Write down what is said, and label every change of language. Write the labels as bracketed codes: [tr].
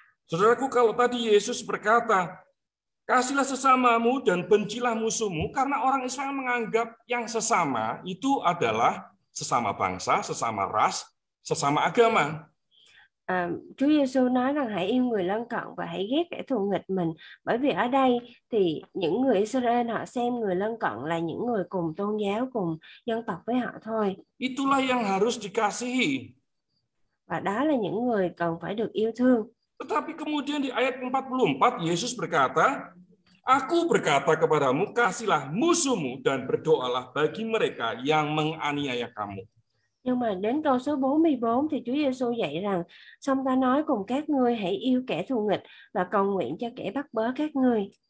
[id] Saudaraku, kalau tadi Yesus berkata, kasihlah sesamamu dan bencilah musuhmu, karena orang Israel menganggap yang sesama itu adalah sesama bangsa, sesama ras, sesama agama. [vi] Chúa Giêsu nói rằng hãy yêu người lân cận và hãy ghét kẻ thù nghịch mình, bởi vì ở đây thì những người Israel họ xem người lân cận là những người cùng tôn giáo, cùng dân tộc với họ thôi. [id] Itulah yang harus dikasihi. [vi] Và đó là những người cần phải được yêu thương. [id] Tetapi kemudian di ayat 44 Yesus berkata, "Aku berkata kepadamu, kasihlah musuhmu dan berdoalah bagi mereka yang menganiaya kamu." [vi] Nhưng mà đến câu số 44 thì Chúa Giêsu dạy rằng, "Song ta nói cùng các ngươi hãy yêu kẻ thù nghịch và cầu nguyện cho kẻ bắt bớ các ngươi."